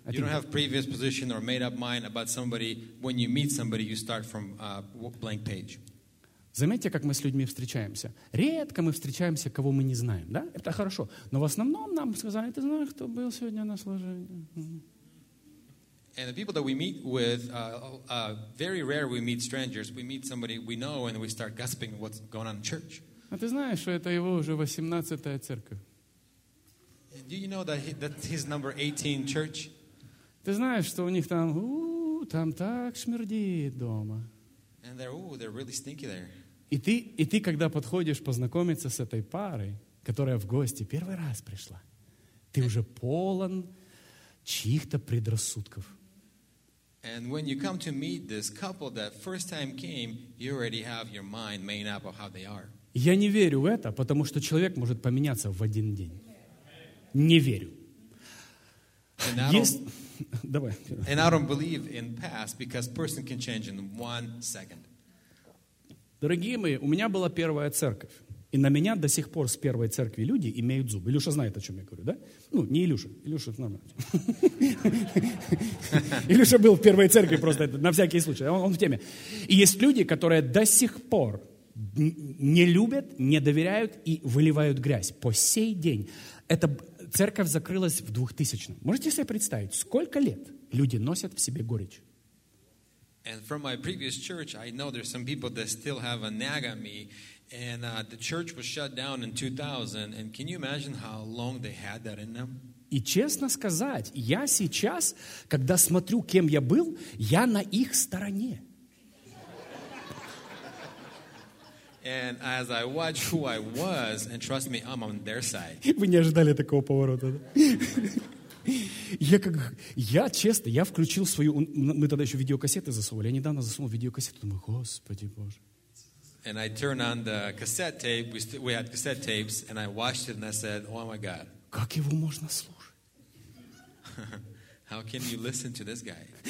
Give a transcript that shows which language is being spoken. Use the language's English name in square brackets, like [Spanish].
[English] You don't have previous position or made up mind about somebody. When you meet somebody, you start from a blank page. [Russian] Заметьте, как мы с людьми встречаемся. Редко мы встречаемся, кого мы не знаем, да? Это хорошо. Но в основном нам сказали, ты знаешь, кто был сегодня на служении. [English] And the people that we meet with, very rare we meet strangers. We meet somebody we know, and we start gossiping what's going on in church. [Russian] А ты знаешь, что это его уже 18-я церковь? [English] And do you know that his number 18 church? [Russian] Ты знаешь, что у них там, там так смердит дома. [English] And they're really stinky there. [Russian] И ты, когда подходишь познакомиться с этой парой, которая в гости первый раз пришла, ты уже полон чьих-то предрассудков. [English] And when you come to meet this couple that first time came, you already have your mind made up of how they are. [Russian] Я не верю в это, потому что человек может поменяться в один день. Не верю. [English] And I don't believe in past because person can change in one second. [Russian] Дорогие мои, у меня была первая церковь, и на меня до сих пор с первой церкви люди имеют зубы. Илюша знает, о чем я говорю, да? Ну, не Илюша. Илюша, это нормально. Илюша был в первой церкви просто на всякий случай. Он в теме. И есть люди, которые до сих пор не любят, не доверяют и выливают грязь. По сей день. Это церковь закрылась в 2000-м. Можете себе представить, сколько лет люди носят в себе горечь? [English] And from my previous church, I know there's some people that still have a nag on me. And the church was shut down in 2000. And can you imagine how long they had that in them? [Russian] И честно сказать, я сейчас, когда смотрю, кем я был, я на их стороне. [English] And as I watch who I was, and trust me, I'm on their side. [Russian] Вы не ожидали такого поворота, да? Я честно, я включил свою... Мы тогда еще видеокассеты засовывали. Я недавно засунул видеокассету. Думаю, Господи Боже. [English] And I turned on the cassette tape. We had cassette tapes. And I watched it and I said, oh my God. [Russian] Как его можно слушать? [English] How can you listen to this guy?